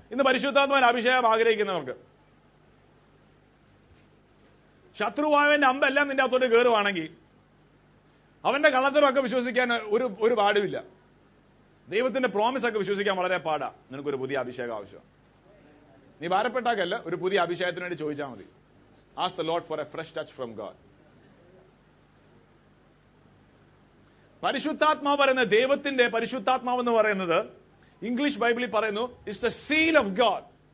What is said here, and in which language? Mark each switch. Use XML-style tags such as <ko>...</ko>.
<ml>ഇന്ന് പരിശുദ്ധാത്മാവിന്റെ അഭിഷേകം ആഗ്രഹിക്കുന്നവർക്ക്, ശത്രുവായവന്റെ അമ്പെല്ലാം നിന്റെ അത്തോട്ട് കയറുവാണെങ്കിൽ അവന്റെ കള്ളത്തരമൊക്കെ വിശ്വസിക്കാൻ ഒരു പാടുമില്ല. ദൈവത്തിന്റെ പ്രോമിസ് ഒക്കെ വിശ്വസിക്കാൻ വളരെ പാടാ. നിനക്കൊരു പുതിയ അഭിഷേകം ആവശ്യം. നീ ഭാരപ്പെട്ടാക്കല്ല, ഒരു പുതിയ അഭിഷേകത്തിന് വേണ്ടി ചോദിച്ചാൽ മതി.</ml> <en>Ask the Lord for a fresh touch from God.</en> <ml>പരിശുദ്ധാത്മാവ് പറയുന്ന, ദൈവത്തിന്റെ പരിശുദ്ധാത്മാവ് എന്ന് പറയുന്നത് ഇംഗ്ലീഷ് ബൈബിളിൽ പറയുന്നു</ml> <en>Is the seal of God.</en>